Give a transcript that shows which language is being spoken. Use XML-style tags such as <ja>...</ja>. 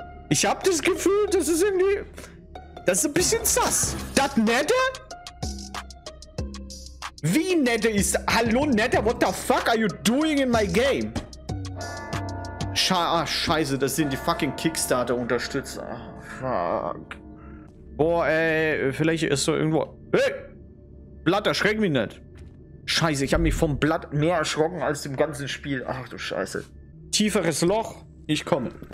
<de>Ich hab das Gefühl, das ist irgendwie... Das ist ein bisschen sus. Das Nette? Wie Nette ist...</de> <en>Hallo, Nette, what the fuck are you doing in my game?</en> <de>Scheiße, das sind die fucking Kickstarter-Unterstützer. Fuck. Boah, ey, vielleicht ist so irgendwo... Hey! Blatt, erschreck mich nicht. Scheiße, ich habe mich vom Blatt mehr erschrocken als im ganzen Spiel. Ach du Scheiße. Tieferes Loch, ich komme.</de>